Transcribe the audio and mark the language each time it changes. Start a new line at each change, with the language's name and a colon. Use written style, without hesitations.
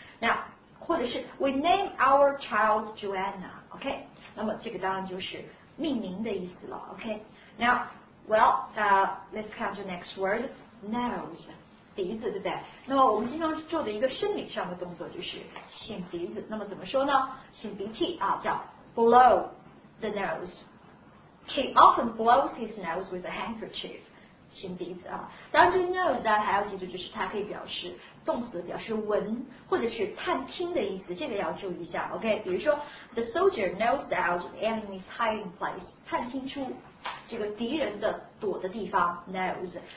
English: Now,
Chinese: 或者是
English: we name our child Joanna. OK.
Chinese: 那么这个当然就是命名的意思了。OK.
English: Now, well, let's come to next word, nose.
Chinese: 鼻子对不对？那么我们经常做的一个生理上的动作就是擤鼻子。那么怎么说呢？擤鼻涕啊，叫
English: blow the nose. He often blows his nose with a handkerchief.
Chinese: 先鼻子啊。当然这个 nose 大家还要记住，就是它可以表示动词，表示闻或者是探听的意思，这个要注意一下。 OK， 比如说
English: the soldier nosed out enemy's hiding place，
Chinese: 探听出这个敌人的躲的地方 nose。